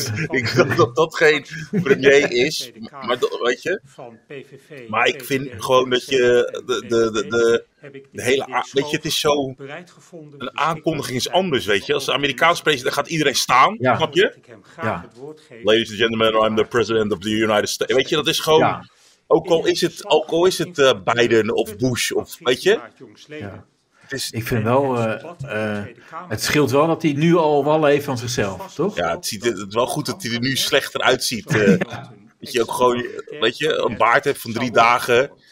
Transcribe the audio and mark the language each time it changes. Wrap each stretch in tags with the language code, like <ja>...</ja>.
<nl>Ik dacht dat dat geen premier is, maar weet je? Maar ik vind gewoon dat je de hele... Weet je, het is zo... Een aankondiging is anders, weet je? Als de Amerikaanse president gaat iedereen staan, snap je? Ja.</nl> <en>Ladies and gentlemen, I'm the president of the United States.</en> <nl>Weet je, dat is gewoon... Ook al is het Biden of Bush of weet je? Ja. Dus, ik vind wel, het scheelt wel dat hij nu al wallen heeft van zichzelf, toch? Ja, het ziet het wel goed dat hij er nu slechter uitziet. Dat je ook gewoon, weet je, een baard hebt van 3 dagen.</nl>